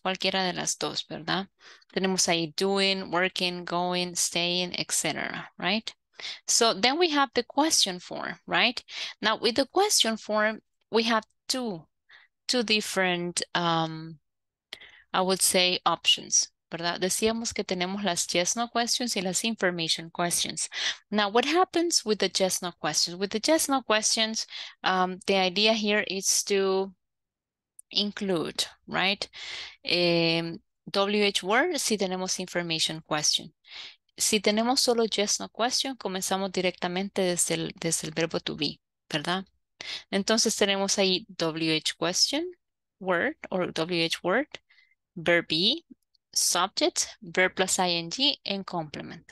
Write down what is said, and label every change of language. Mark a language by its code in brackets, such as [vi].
[es] Cualquiera de las dos, ¿verdad? Tenemos ahí doing, working, going, staying, etc., [en] right? So then we have the question form, right? Now, with the question form, we have two different, I would say, options, [es] ¿verdad? Decíamos que tenemos las yes, no questions y las information questions. [en] Now, what happens with the yes, no questions? With the yes, no questions, the idea here is to include, right? [es] WH word, si tenemos information question. Si tenemos solo yes, no question, comenzamos directamente desde el verbo to be, ¿verdad? Entonces tenemos ahí [en] WH question, word, or WH word, verb be, subject, verb plus ing, and complement.